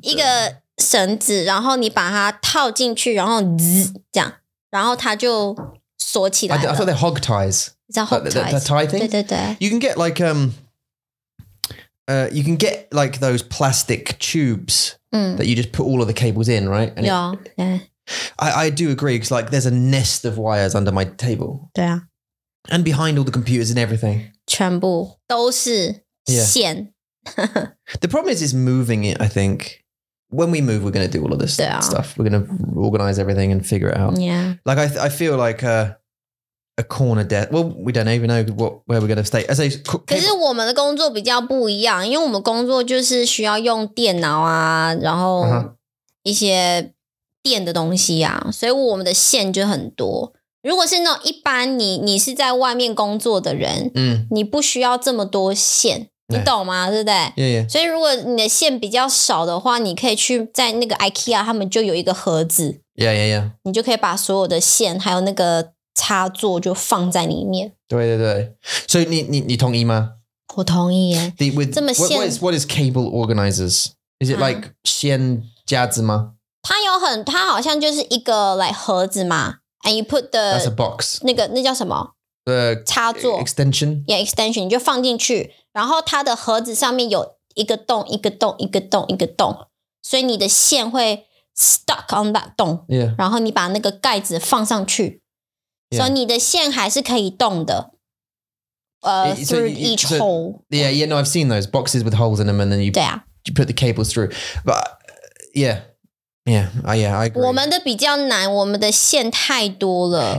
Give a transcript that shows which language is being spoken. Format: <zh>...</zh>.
<zh>一个绳子, 然后你把它套进去, 然后滋这样, 然后它就锁起来了。</zh> <en>I thought they're hog ties. Is that hog ties? The tie thing?</en> <zh>对对对。</zh> <en>You can get like you can get like those plastic tubes that you just put all of the cables in, right? And I do agree, because like there's a nest of wires under my table.</en> <zh>对啊。</zh> <en>And behind all the computers and everything.</en> <zh>全部都是线.</zh> <en>The problem is moving it, I think. When we move, we're going to do all of this stuff. We're going to organize everything and figure it out. Yeah. Like, I feel like a corner desk. Well, we don't even know where we're going to stay. As I say,</en> <zh>可是我们的工作比较不一样, 因为我们工作就是需要用电脑啊, 然后一些电的东西啊, 所以我们的线就很多。如果是那种一般你是在外面工作的人，你不需要这么多线。你懂吗？对不对？</zh> <en>Yeah, yeah.</en> <zh>所以如果你的线比较少的话，你可以去在那个 IKEA， 他们就有一个盒子。</zh> <en>Yeah, yeah, yeah.</en> <zh>你就可以把所有的线还有那个插座就放在里面。对对对，所以你同意吗？我同意耶。这么线</zh> <en>what is cable organizers? Is it like</en> <zh>线夹子吗？它有很，它好像就是一个 like 盒子嘛。</zh> <en>And you put the that's a box.</en> <zh>那个那叫什么？插座</zh> <en>extension，</en> <zh>yeah， extension， 你就放进去，然后它的盒子上面有一个洞，一个洞，一个洞，一个洞，所以你的线会</zh> <en>stuck on that</en> <zh>洞，</zh> <en>yeah，</en> <zh>然后你把那个盖子放上去，所以你的线还是可以动的。</zh> <en>Through each hole， yeah， yeah， no， I've seen those boxes with holes in them， and then you you put the cables through， but yeah。 Yeah, I agree.</en> <zh>我们的比较难，我们的线太多了。</zh>